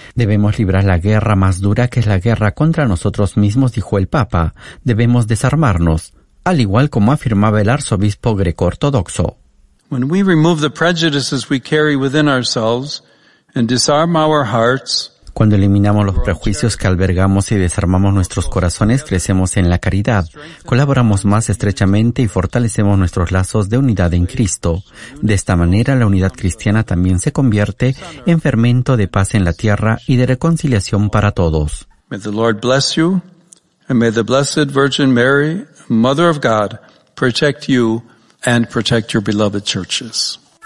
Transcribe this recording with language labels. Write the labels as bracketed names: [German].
[Spanish] Debemos librar la guerra más dura, que es la guerra contra nosotros mismos, dijo el Papa. Debemos desarmarnos, al igual como afirmaba el arzobispo greco-ortodoxo. [English] When we remove the prejudices we carry within ourselves and disarm our hearts, [Spanish] cuando eliminamos los prejuicios que albergamos y desarmamos nuestros corazones, crecemos en la caridad, colaboramos más estrechamente y fortalecemos nuestros lazos de unidad en Cristo. De esta manera, la unidad cristiana también se convierte en fermento de paz en la tierra y de reconciliación para todos. [English] May the Lord bless you, and may the Blessed Virgin Mary, Mother of God, protect you and protect your beloved churches.